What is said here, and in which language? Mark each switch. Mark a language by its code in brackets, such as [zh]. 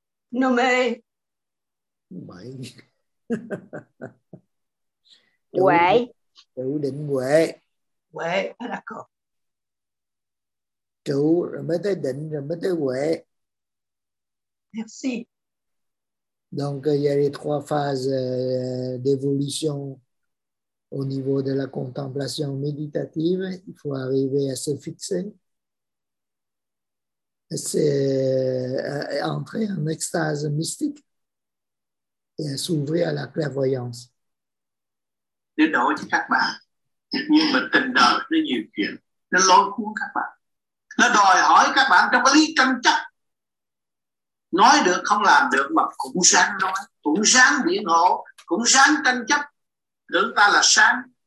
[vi] Nó mê. Mày. Huệ. Trụ định huệ. Trụ rồi mới tới định rồi mới tới huệ. [fr] Merci. Donc il y a les trois phases d'évolution au niveau de la contemplation méditative. Il faut arriver à se fixer, c'est entrer en extase mystique et à s'ouvrir à la clairvoyance. [vi] Để đổi cho các bạn. Nhưng mà tình đời nó nhiều chuyện, nó lôi cuốn các bạn, nó đòi hỏi các bạn trong cái lý tranh chấp, nói được không làm được, mà cũng sáng nói, cũng sáng biện hộ, cũng sáng tranh chấp, tưởng ta là sáng.